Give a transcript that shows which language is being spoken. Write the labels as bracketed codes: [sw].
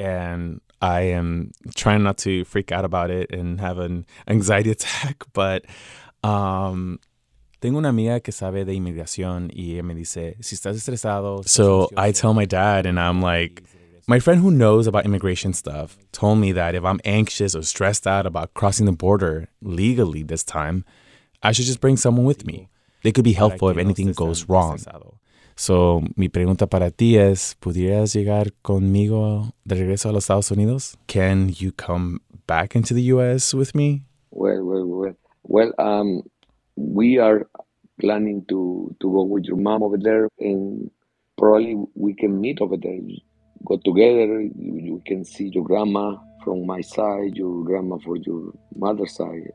[en] And I am trying not to freak out about it and have an anxiety attack, but tengo una amiga que sabe de inmigración y ella me dice, si estás estresado. So I tell my dad, and I'm like, my friend who knows about immigration stuff told me that if I'm anxious or stressed out about crossing the border legally this time, I should just bring someone with me. They could be helpful if anything goes wrong. [es] So, mi pregunta para ti es, ¿pudieras llegar conmigo de regreso a los Estados Unidos? [en] Can you come back into the U.S. with me? Well, we are planning to go with your mom over there, and probably we can meet over there. Go together, you can see your grandma from my side, your grandma from your mother's side.